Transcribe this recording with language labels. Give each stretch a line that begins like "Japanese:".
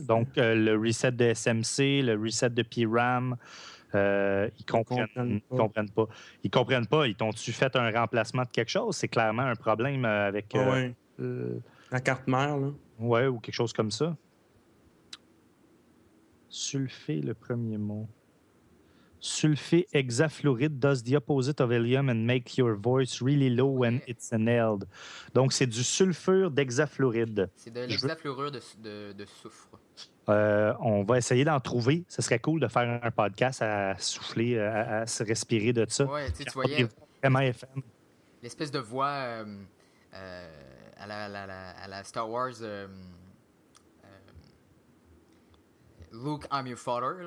French: Donc, le reset de SMC, le reset de PRAM. Ils comprennent pas. Ils comprennent pas. Ils t'ont-tu fait un remplacement de quelque chose? C'est clairement un problème avec la carte mère, là. Ouais, ou quelque chose comme ça. Sulfé, le premier mot.
English: Sulfé hexafluoride does the opposite of helium and make your voice really low when it's inhaled.
French: Donc, c'est du sulfure d'hexafluoride. C'est de l'hexafluorure de soufre. On va essayer d'en trouver. Ce serait cool de faire un podcast à souffler, à se respirer de ça. Ouais, tu voyais vraiment FM. L'espèce de voix à la Star Wars Luke,
English: I'm your father.